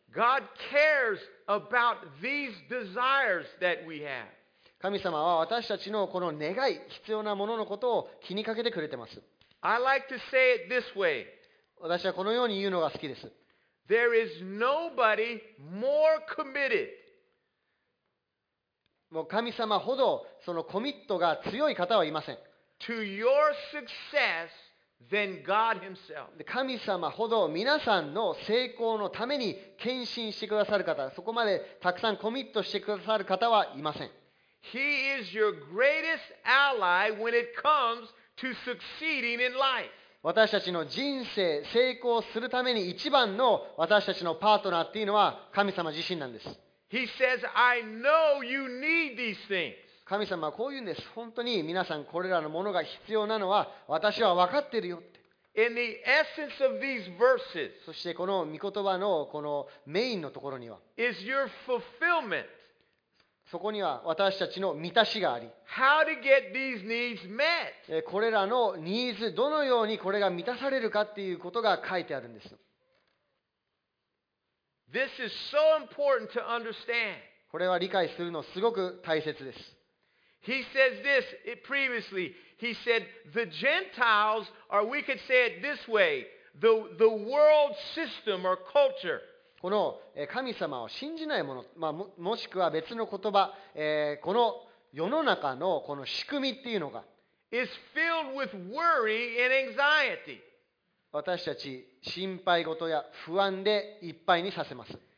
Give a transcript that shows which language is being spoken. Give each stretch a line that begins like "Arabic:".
English: God cares about these desires that we have.
Japanese: 神様は私たちのこの願い、必要なもののことを気にかけてくれてます。
English: I like to say it this way.
Japanese: 私はこのように言うのが好きです。
English: There is nobody more committed.
Japanese: もう神様ほどそのコミットが強い方はいません。
English: To your success. Than God himself.
Japanese: 神様ほど皆さんの成功のために献身してくださる方、そこまでたくさんコミットしてくださる方はいません。
English: He is your greatest ally when it comes to succeeding in life.
Japanese: 私たちの人生成功するために一番の私たちのパートナーっていうのは神様自身なんです。
English: He says, I know you need these things.
Japanese: 神様はこう言うんです。本当に皆さんこれらのものが必要なのは私は分かってるよって。
English: In the essence of these verses,
Japanese: そしてこの御言葉のこのメインのところには、
English: is your fulfillment.
Japanese: そこには私たちの満たしがあり、
English: How to get these needs met.
Japanese: これらのニーズ、どのようにこれが満たされるかっていうことが書いてあるんです。
English: This is so important to understand.
Japanese: これは理解するのすごく大切です。
English: He says this previously. He said the Gentiles, or we could say it this way, the world system or culture.
Japanese: この神様を信じない者、まあ、もしくは別の言葉、この世の中のこの仕組みっていうのが、
English: is filled with worry and anxiety.
Japanese: 私たち心配事や不安でいっぱいにさせます。